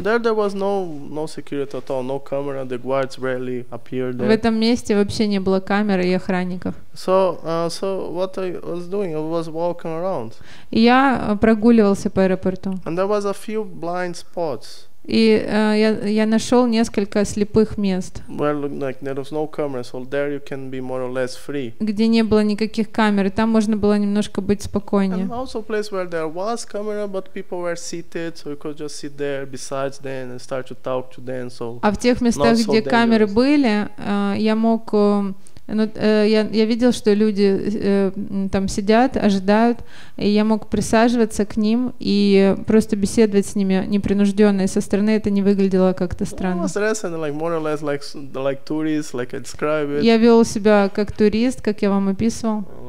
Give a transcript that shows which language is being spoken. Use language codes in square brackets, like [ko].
[en] There was no security at all, no camera, the guards rarely appeared there. [ru] В этом [uk] місці вообще не було камер і охранників. [en] So what I was doing? I was walking around. [uk] Я прогулювався по аеропорту. [en] And there was a few blind spots. [uk] І я знайшов кілька сліпих міст. [en] Well, like there was no camera, so there you can be more or less free. [uk] Де не було ніяких камер, там можна було немножко бути спокійніше. [en] And also place where there was camera, but people were seated, so you could just sit there besides them and start to talk to them. So [uk] а в тих містах, де [en] so [uk] камери були, я мог. [ru] Ну, я видел, что люди там сидят, ожидают, и я мог присаживаться к ним и просто беседовать с ними непринужденно, и со стороны это не выглядело как-то странно. Я вел себя как турист, как я вам описывал.